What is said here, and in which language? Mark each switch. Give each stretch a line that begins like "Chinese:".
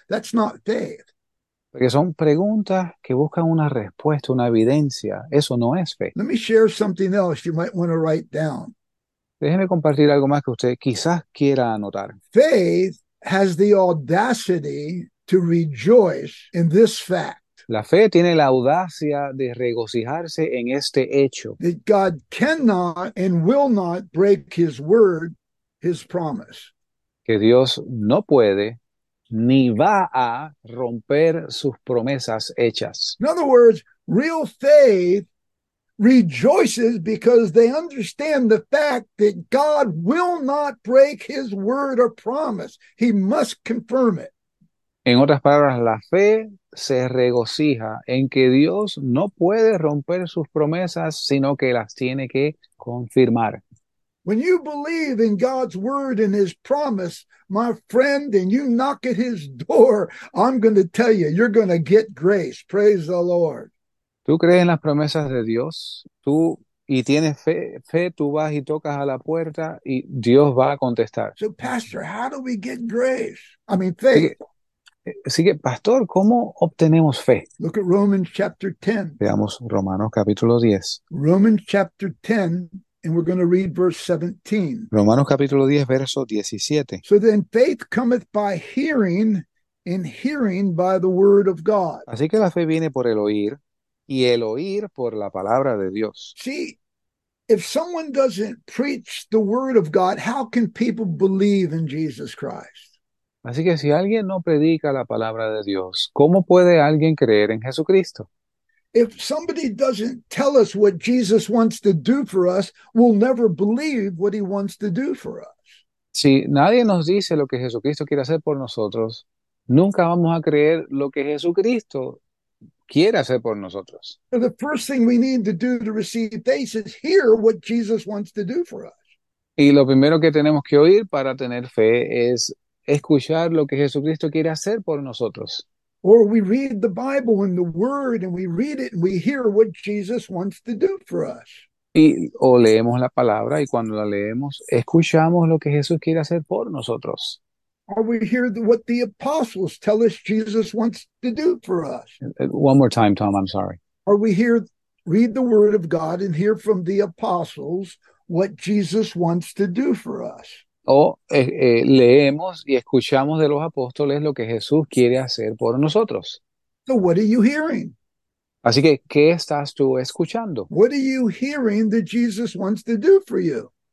English: That's not faith.
Spanish: Porque son preguntas que buscan una respuesta, una evidencia. Eso no es fe.
English: Let me share something else you might want to write down.
Spanish: Déjeme compartir algo más que usted quizás quiera anotar.
English: Faith has the audacity to rejoice in this fact
Spanish: La fe tiene la audacia de regocijarse en este hecho.
English: that God cannot and will not break his word, his promise.
Spanish: Que Dios no puede ni va a romper sus promesas hechas.
English: In other words, real faith rejoices because they understand the fact that God will not break his word or promise. He must confirm it.
Spanish: En otras palabras, la fe se regocija en que Dios no puede romper sus promesas, sino que las tiene que confirmar.
English: When you believe in God's word and his promise, my friend, and you knock at his door, I'm going to tell you're going to get grace. Praise the Lord.
Spanish: Tú crees en las promesas de Dios, tú y tienes fe, tú vas y tocas a la puerta y Dios va a contestar.
English: So, Pastor, how do we get grace? I mean,
Spanish: Así
English: faith.
Spanish: que, pastor, ¿cómo obtenemos fe?
English: Look at Romans chapter 10.
Spanish: Veamos Romanos capítulo 10.
English: Romans chapter 10, and we're going to read verse 17.
Spanish: Romanos capítulo 10, verso 17.
English: So then faith cometh by hearing, and hearing by the word of God.
Spanish: Así que la fe viene por el oír. Y el oír por la palabra de Dios.
English: See, if someone doesn't preach the word of God, how can people believe in Jesus Christ?
Spanish: Así que si alguien no predica la palabra de Dios, ¿cómo puede alguien creer en Jesucristo?
English: If somebody doesn't tell us what Jesus wants to do for us, we'll never believe what he wants to do for us.
Spanish: Si nadie nos dice lo que Jesucristo quiere hacer por nosotros, nunca vamos a creer lo que Jesucristo quiere hacer por nosotros.
English: The first thing we need to do to receive faith is hear what Jesus wants to do for us.
Spanish: Y lo primero que tenemos que oír para tener fe es escuchar lo que Jesucristo quiere hacer por nosotros.
English: Or we read the Bible and the Word and we read it and we hear what Jesus wants to do for us.
Spanish: Y o leemos la palabra y cuando la leemos, escuchamos lo que Jesús quiere hacer por nosotros.
English: Or we hear what the apostles tell us Jesus wants to do for us. One more time, Tom. I'm sorry. Or we hear, read the word of God and hear from the apostles what Jesus wants to do for us.
Spanish: O leemos y escuchamos de los apóstoles lo que Jesús quiere hacer por nosotros.
English: So what are you hearing?
Spanish: Así que, ¿qué estás tú escuchando?
English: What are you hearing that Jesus wants to do for you?